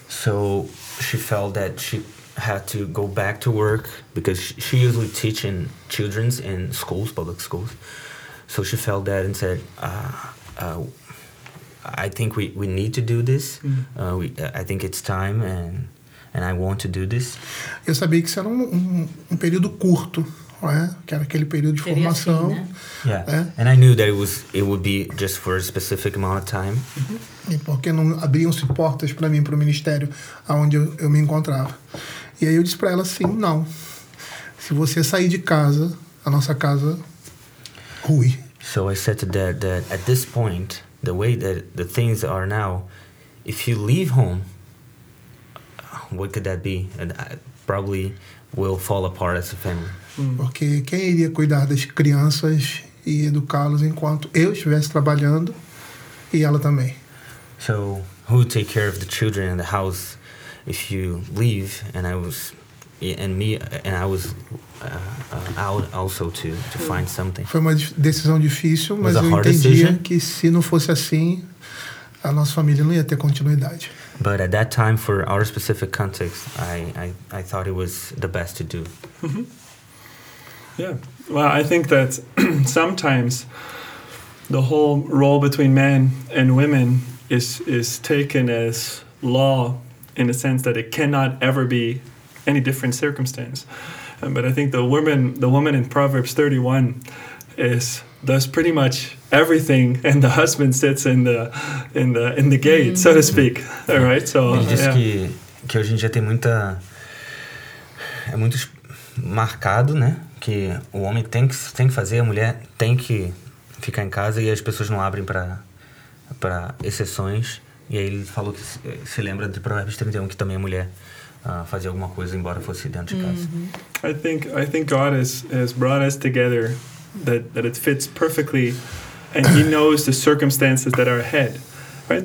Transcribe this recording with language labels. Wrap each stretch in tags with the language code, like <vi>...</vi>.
<en>So she felt that she had to go back to work because she usually teaching children in schools, public schools. So she felt that and said, I think we need to do this. Mm-hmm. I think it's time and I want to do this.</en> <pt>Eu sabia que isso era um período curto, né? Que era aquele período de Seria formação. Fim, né?</pt> <en>Yeah. And I knew that it would be just for a specific amount of time. Uh-huh.</en> <pt>E porque não abriam-se portas para mim para o ministério aonde eu me encontrava. E aí eu disse para ela assim, não. Se você sair de casa, a nossa casa rui.</pt> <en>So I said to Dad that at this point, the way that the things are now, if you leave home, what could that be? And I probably will fall apart as a family.</en> <pt>Porque quem iria cuidar das crianças e educá-las enquanto eu estivesse trabalhando e ela também?</pt> <en>So, who would take care of the children and the house if you leave and out also to find something.</en> <pt>Foi uma decisão difícil, mas eu entendia que se não fosse assim, a nossa família não ia ter continuidade.</pt> <en>But at that time, for our specific context, I thought it was the best to do. Mm-hmm. Yeah. Well, I think that sometimes the whole role between men and women is taken as law in the sense that it cannot ever be any different circumstance. But I think the woman in Proverbs 31 does pretty much everything, and the husband sits in the gate, so to speak. All right, so</en> <pt>ele disse</pt> <en>yeah.</en> <pt>que hoje em dia tem muita é muito marcado, né, que o homem tem que fazer, a mulher tem que ficar em casa, e as pessoas não abrem para exceções. E aí ele falou que se lembra de Proverbs 31, que também a mulher fazer alguma coisa, embora fosse dentro de casa. Mm-hmm.</pt> <en>I think God has brought us together that it fits perfectly, and He knows the circumstances that are ahead, right?</en>